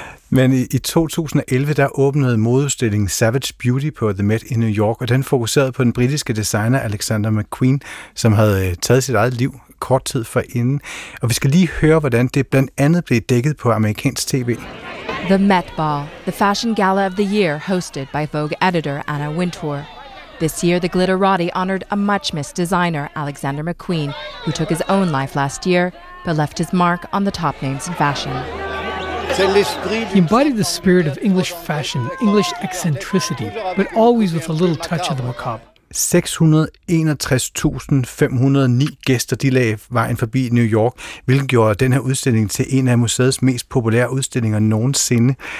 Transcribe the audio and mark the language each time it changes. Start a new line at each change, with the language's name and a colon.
Danish: Men i 2011, der åbnede modeudstillingen Savage Beauty på The Met i New York, og den fokuserede på den britiske designer Alexander McQueen, som havde taget sit eget liv kort tid forinden. Og vi skal lige høre, hvordan det blandt andet blev dækket på amerikansk TV.
English: The Met Ball, the fashion gala of the year hosted by Vogue editor Anna Wintour. This year, the glitterati honored a much-missed designer, Alexander McQueen, who took his own life last year, but left his mark on the top names in fashion. He embodied the spirit of English fashion, English eccentricity, but always with a little touch of the macabre.
Danish: 661.509 gæster, de lagde vejen forbi New York, hvilket gjorde den her udstilling til en af museets mest populære udstillinger nogensinde.